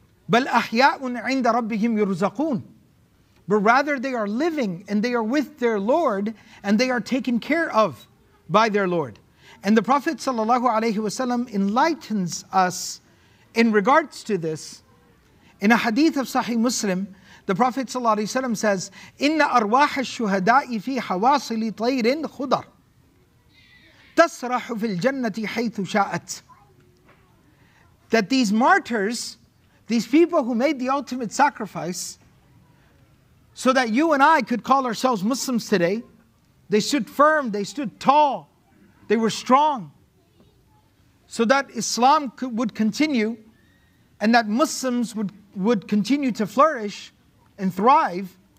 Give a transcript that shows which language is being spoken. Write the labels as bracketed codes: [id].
[ar] بَلْ أَحْيَاءٌ عِنْدَ رَبِّهِمْ يُرْزَقُونَ. [en] But rather they are living and they are with their Lord and they are taken care of by their Lord. And the Prophet ﷺ enlightens us in regards to this. In a hadith of Sahih Muslim, the Prophet ﷺ says, [ar] إِنَّ أَرْوَاحَ الشُّهَدَاءِ فِي حَوَاصِلِ طَيْرٍ خُضَرٍ تَسْرَحُ فِي الْجَنَّةِ حَيْثُ شَاءَتْ. [en] That these martyrs, these people who made the ultimate sacrifice, so that you and I could call ourselves Muslims today. They stood firm, they stood tall, they were strong. So that Islam would continue and that Muslims would continue to flourish and thrive.